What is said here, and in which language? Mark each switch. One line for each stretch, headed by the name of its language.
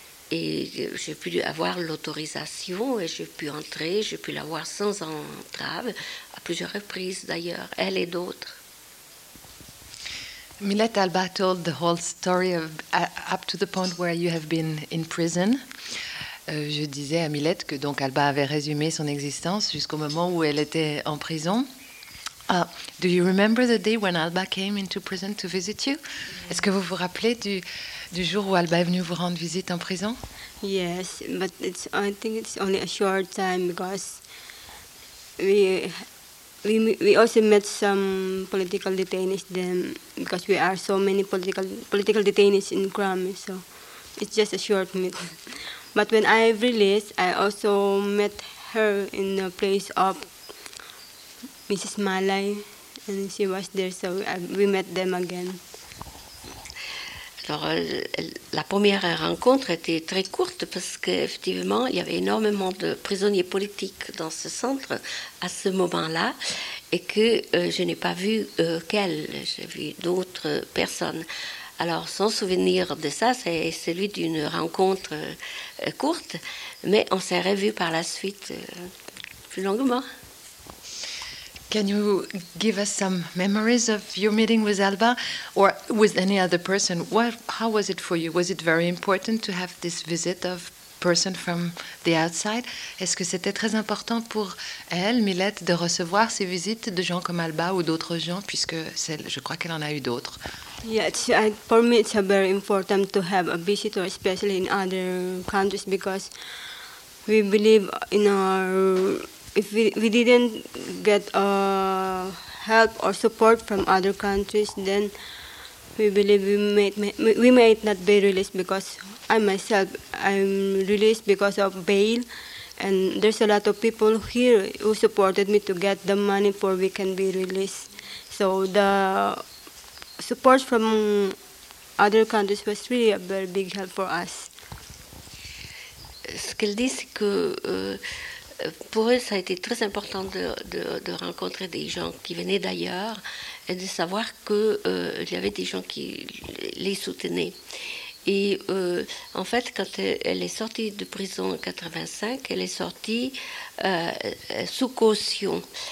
French: Et j'ai pu avoir l'autorisation et j'ai pu entrer, j'ai pu l'avoir sans entrave, à plusieurs reprises d'ailleurs, elle et d'autres.
English: Milet Alba told the whole story of, up to the point where you have been in prison.
French: Je disais à Milet que donc Alba avait résumé son existence jusqu'au moment où elle était en prison.
English: Do you remember the day when Alba came into prison to visit you? Mm-hmm.
French: Est-ce que vous vous rappelez du jour où Alba est venue vous rendre visite en prison?
English: Yes, but I think it's only a short time because we also met some political detainees then because we are so many political detainees in Krami, so it's just a short meet. But when I released, I also met her in the place of Mrs. Malay, and she was there, so we met them again.
French: Alors, la première rencontre était très courte parce qu'effectivement, il y avait énormément de prisonniers politiques dans ce centre à ce moment-là et que je n'ai pas vu qu'elle, j'ai vu d'autres personnes. Alors, son souvenir de ça, c'est celui d'une rencontre courte, mais on s'est revu par la suite plus longuement.
English: Can you give us some memories of your meeting with Alba or with any other person? How was it for you? Was it very important to have this visit of person from the outside?
French: Est-ce que c'était très important pour elle, Milet, de recevoir ces visites de gens comme Alba ou d'autres gens, puisque je crois qu'elle en a eu d'autres?
English: For me, it's very important to have a visitor, especially in other countries, because we believe in our... If we didn't get help or support from other countries, then we believe we might not be released because I myself, I'm released because of bail. And there's a lot of people here who supported me to get the money for we can be released. So the support from other countries was really a very big help for us.
French: Ce qu'elle dit, c'est que... Pour eux, ça a été très important de rencontrer des gens qui venaient d'ailleurs et de savoir qu'il y avait des gens qui les soutenaient. Et en fait, quand elle est sortie de prison en 85, elle est sortie sous caution.